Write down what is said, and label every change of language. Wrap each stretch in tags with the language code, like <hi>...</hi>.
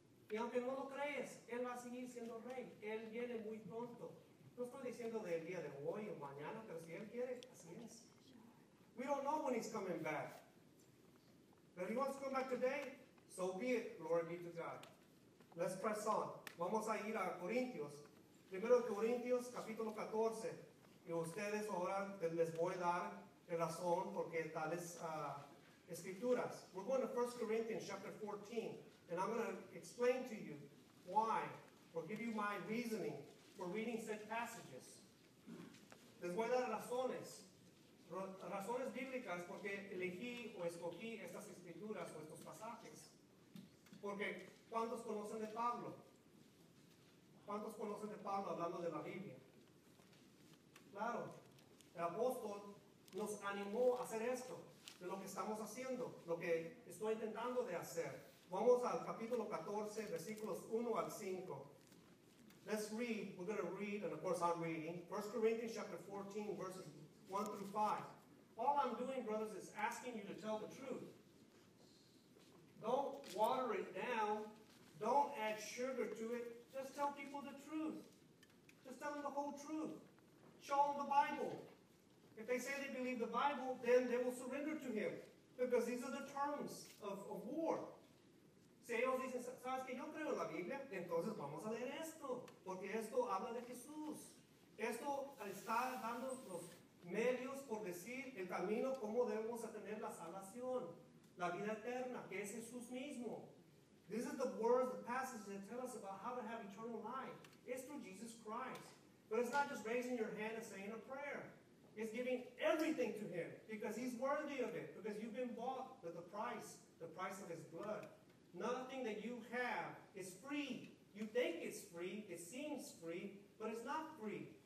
<es>Y aunque no lo crees, él va a seguir siendo rey. Él viene muy pronto. No estoy diciendo del día de hoy o mañana, pero si él quiere, así es.</es> <en>We don't know when he's coming back. But if he wants to come back today, so be it. Glory be to God. Let's press on.</en> <es>Vamos a ir a Corintios. Primero Corintios, capítulo 14. Y ustedes ahora les voy a dar la razón porque tales escrituras.</es> <en>We're going to 1 Corinthians chapter 14. And I'm going to explain to you why, or give you my reasoning for reading said passages.</en> <es>Les voy a dar razones. Razones bíblicas porque elegí o escogí estas escrituras o estos pasajes. Porque, ¿cuántos conocen de Pablo? ¿Cuántos conocen de Pablo hablando de la Biblia? Claro, el apóstol nos animó a hacer esto, de lo que estamos haciendo, lo que estoy intentando de hacer. Vamos al capítulo 14, versículos 1 al 5.</es> <en>Let's read, we're going to read, and of course I'm reading, 1 Corinthians chapter 14, verses 1 through 5. All I'm doing, brothers, is asking you to tell the truth. Don't water it down. Don't add sugar to it. Just tell people the truth. Just tell them the whole truth. Show them the Bible. If they say they believe the Bible, then they will surrender to him. Because these are the terms of war.</en> <es>Si ellos dicen, ¿sabes que yo creo en la Biblia? Entonces vamos a leer esto. Porque esto habla de Jesús. Esto está dando los medios por decir el camino cómo debemos tener la salvación, la vida eterna, que es Jesús mismo.</es> <en>This is the words, the passages that tell us about how to have eternal life. It's through Jesus Christ. But it's not just raising your hand and saying a prayer. It's giving everything to Him because He's worthy of it, because you've been bought with the price of His blood. Nothing that you have is free. You think it's free, it seems free, but it's not free.</en>